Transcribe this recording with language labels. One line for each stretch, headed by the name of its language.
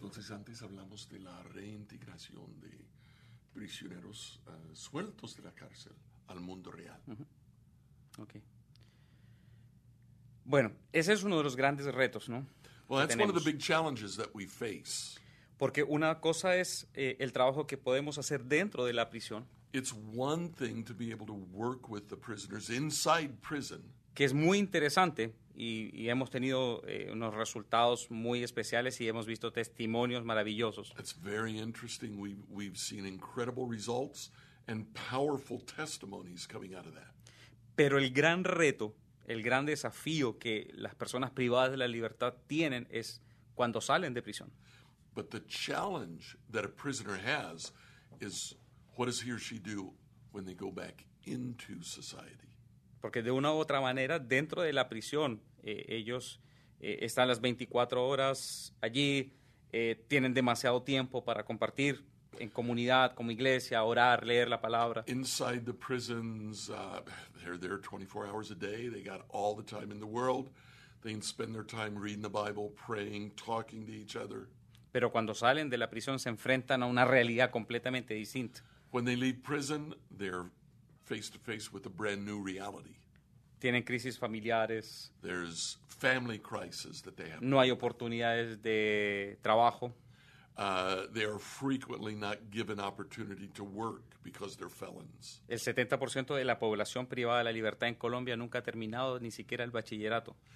Spanish: Entonces antes hablamos de la reintegración de prisioneros sueltos de la cárcel al mundo real.
English: Mm-hmm. Okay.
Spanish: Bueno, ese es uno de los grandes retos, ¿no?
English: Well, that's one of the big challenges that we face.
Spanish: Porque una cosa es el trabajo que podemos hacer dentro de la prisión.
English: It's one thing to be able to work with the prisoners inside prison.
Spanish: Que es muy interesante y hemos tenido unos resultados muy especiales y hemos visto testimonios maravillosos.
English: It's very interesting. We've seen incredible results and powerful testimonies coming out of that.
Spanish: Pero el gran reto, el gran desafío que las personas privadas de la libertad tienen es cuando salen de prisión.
English: But the challenge that a prisoner has is what does he or she do when they go back into society?
Spanish: Porque de una u otra manera, dentro de la prisión, ellos están las 24 horas allí, tienen demasiado tiempo para compartir en comunidad, como iglesia, orar, leer la palabra.
English: Inside the prisons, they're there 24 hours a day. They got all the time in the world. They spend their time reading the Bible, praying, talking to each other.
Spanish: Pero cuando salen de la prisión, se enfrentan a una realidad completamente distinta.
English: When they leave prison, they're face to face with a brand new reality.
Spanish: Tienen crisis familiares.
English: There's family crisis that they have.
Spanish: No hay oportunidades de trabajo.
English: They are frequently not given opportunity to work because they're felons.
Spanish: El 70% de la población privada de la libertad en Colombia nunca ha terminado ni siquiera el bachillerato.